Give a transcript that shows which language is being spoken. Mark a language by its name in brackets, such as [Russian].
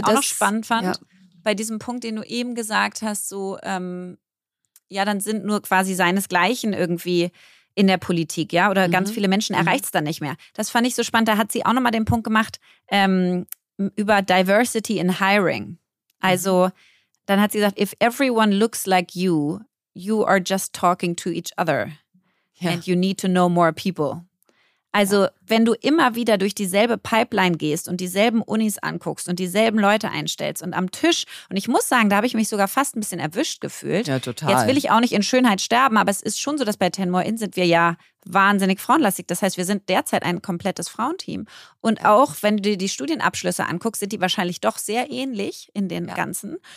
[German] ich auch noch spannend fand, bei diesem Punkt, den du eben gesagt hast, so, dann sind nur quasi seinesgleichen irgendwie in der Politik, ja, oder ganz viele Menschen erreicht es dann nicht mehr. Das fand ich so spannend. Da hat sie auch nochmal den Punkt gemacht über Diversity in Hiring. Also, dann hat sie gesagt, [English] if everyone looks like you, you are just talking to each other and you need to know more people. [German] Also, wenn du immer wieder durch dieselbe Pipeline gehst und dieselben Unis anguckst und dieselben Leute einstellst und am Tisch, und ich muss sagen, da habe ich mich sogar fast ein bisschen erwischt gefühlt. Ja, total. Jetzt will ich auch nicht in Schönheit sterben, aber es ist schon so, dass bei Ten More Inn sind wir ja wahnsinnig frauenlastig. Das heißt, wir sind derzeit ein komplettes Frauenteam. Und auch, wenn du dir die Studienabschlüsse anguckst, sind die wahrscheinlich doch sehr ähnlich in den Ganzen.